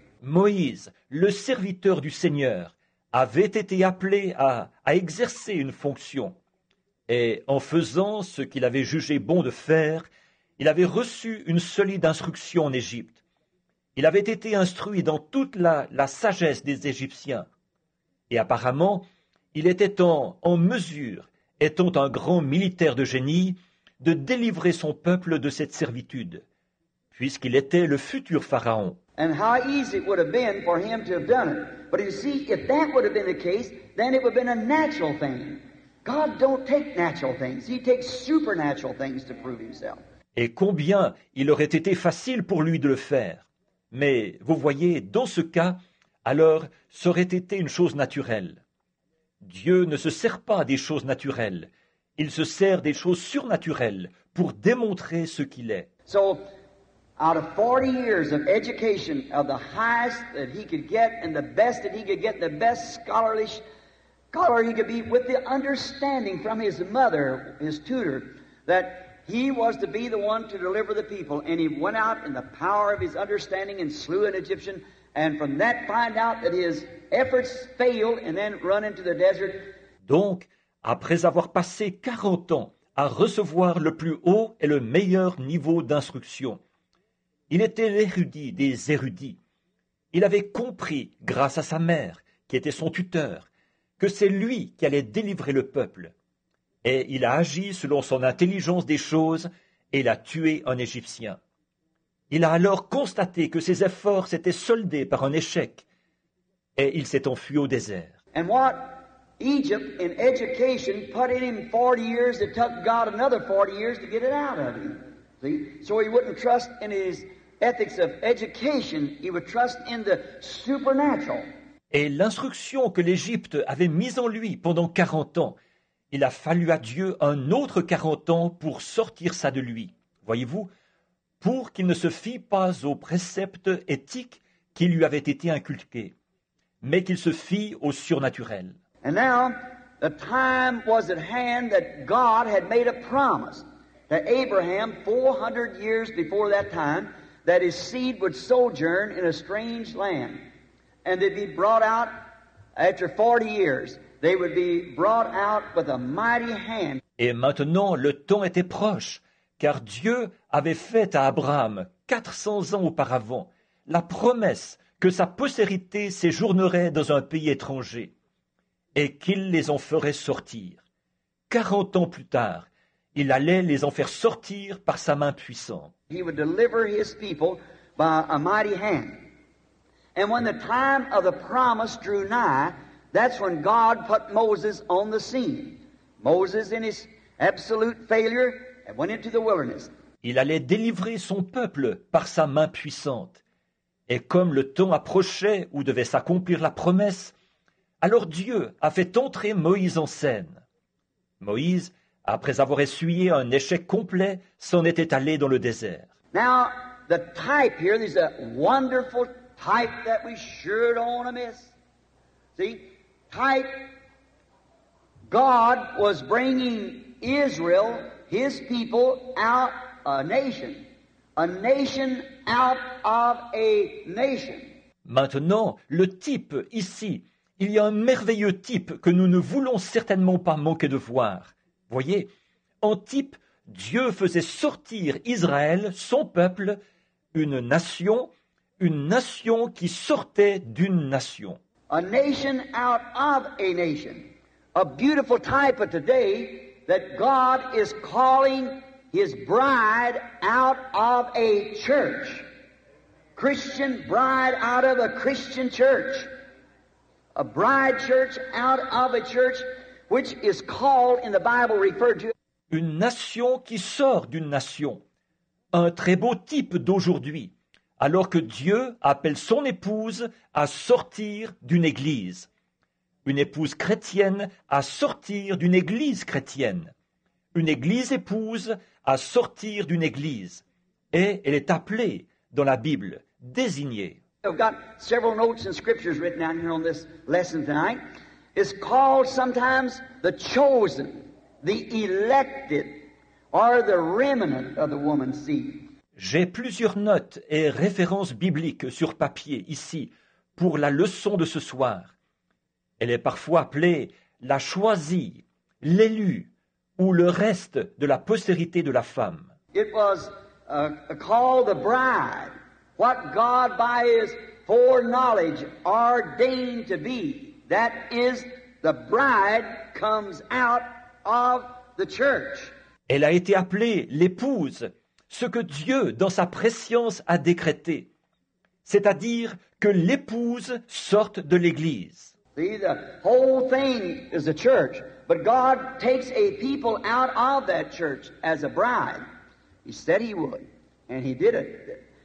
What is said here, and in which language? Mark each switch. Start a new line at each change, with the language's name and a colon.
French: Moïse, le serviteur du Seigneur, avait été appelé à exercer une fonction. Et en faisant ce qu'il avait jugé bon de faire, il avait reçu une solide instruction en Égypte. Il avait été instruit dans toute la sagesse des Égyptiens. Et apparemment, il était en mesure, étant un grand militaire de génie, de délivrer son peuple de cette servitude, puisqu'il était le futur pharaon.
English: And how easy it would have been for him to have done it. But you see, if that would have been the case, then it would have been a natural thing. God don't take natural things. He takes supernatural things to prove himself.
French: Et combien il aurait été facile pour lui de le faire. Mais vous voyez, dans ce cas, alors, ça aurait été une chose naturelle. Dieu ne se sert pas des choses naturelles. Il se sert des choses surnaturelles pour démontrer ce qu'il est.
English: So, out of 40 years of education, of the highest that he could get, and the best that he could get, the best scholarly scholar he could be, with the understanding from his mother, his tutor, that he was to be the one to deliver the people. And he went out in the power of his understanding and slew an Egyptian, and from that find out that his efforts failed, and then run into the desert.
French: Donc, après avoir passé 40 ans à recevoir le plus haut et le meilleur niveau d'instruction, il était l'érudit des érudits. Il avait compris, grâce à sa mère, qui était son tuteur, que c'est lui qui allait délivrer le peuple. Et il a agi selon son intelligence des choses et l'a tué un Égyptien. Il a alors constaté que ses efforts s'étaient soldés par un échec. Et il s'est enfui au désert.
English: And what Egypt, in education, put in him 40 years, it took God another 40 years to get it out of him. See? So he wouldn't trust in his ethics of education, he would trust in the supernatural.
French: Et l'instruction que l'Égypte avait mise en lui pendant 40 ans, il a fallu à Dieu un autre 40 ans pour sortir ça de lui, voyez-vous, pour qu'il ne se fie pas aux préceptes éthiques qui lui avaient été inculqués, mais qu'il se fie au surnaturel.
English: And now, the time was at hand that God had made a promise to Abraham 400 years before that time that his seed would sojourn in a strange land. And they'd be brought out after 40 years. They would be brought out with a mighty hand.
French: Et maintenant, le temps était proche, car Dieu avait fait à Abraham, 400 ans auparavant, la promesse que sa postérité séjournerait dans un pays étranger et qu'il les en ferait sortir. 40 ans plus tard, il allait les en faire sortir par sa main puissante.
English: He would deliver his people by a mighty hand. And when the time of the promise drew nigh, that's when God put Moses on the scene. Moses, in his absolute failure, went into the wilderness.
French: Il allait délivrer son peuple par sa main puissante. Et comme le temps approchait où devait s'accomplir la promesse, alors Dieu a fait entrer Moïse en scène. Moïse, après avoir essuyé un échec complet, s'en était allé dans le désert.
English: Now, the type here, there's a wonderful type that we sure don't want to miss. See, type, God was bringing Israel, his people, out a nation. A nation out of a nation.
French: Maintenant, le type ici, il y a un merveilleux type que nous ne voulons certainement pas manquer de voir. Voyez, en type, Dieu faisait sortir Israël, son peuple, une nation qui sortait d'une nation.
English: A nation out of a nation. A beautiful type of today that God is calling his bride out of a church. Christian bride out of a Christian church. A bride church out of a church which is called in the Bible referred to.
French: Une nation qui sort d'une nation. Un très beau type d'aujourd'hui. Alors que Dieu appelle son épouse à sortir d'une église. Une épouse chrétienne à sortir d'une église chrétienne. Une église épouse à sortir d'une église. Et elle est appelée dans la Bible, désignée.
English: I've got several notes and scriptures written down here on this lesson tonight. It's called sometimes the chosen, the elected, or the remnant of the woman's seed.
French: J'ai plusieurs notes et références bibliques sur papier ici pour la leçon de ce soir. Elle est parfois appelée la choisie, l'élu ou le reste de la postérité de la femme.
English: It was called the bride, what God by his foreknowledge ordained to be. That is, the bride comes out of the church.
French: Elle a été appelée l'épouse, ce que Dieu, dans sa prescience, a décrété. C'est-à-dire que l'épouse sorte de l'Église.
English: See, the whole thing is a church, but God takes a people out of that church as a bride. He said he would, and he did it.